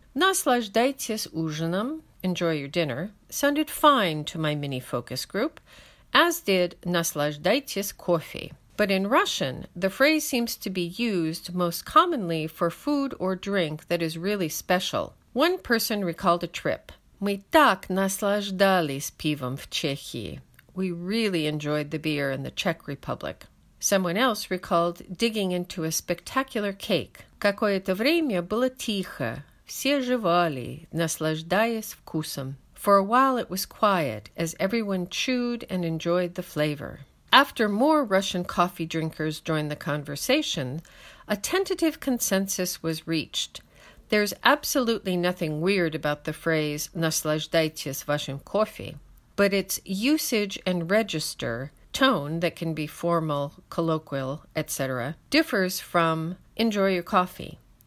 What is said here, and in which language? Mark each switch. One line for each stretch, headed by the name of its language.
Russian: Наслаждайте ужином.
English: Enjoy your dinner. Sounded fine to my mini focus group, as did
Russian: Naslazhdajte kofe.
English: But in Russian, the phrase seems to be used most commonly for food or drink that is really special. One person recalled a trip.
Russian: Мы так наслаждались пивом в Чехии.
English: We really enjoyed the beer in the Czech Republic. Someone else recalled digging into a spectacular cake.
Russian: Какое-то время было тихо. Все жевали, наслаждаясь вкусом.
English: For a while it was quiet, as everyone chewed and enjoyed the flavor. After more Russian coffee drinkers joined the conversation, a tentative consensus was reached. There's absolutely nothing weird about the phrase
Russian: «Naslazhdajte vashim kofe»,
English: but its usage and register, tone that can be formal, colloquial, etc., differs from «enjoy your coffee».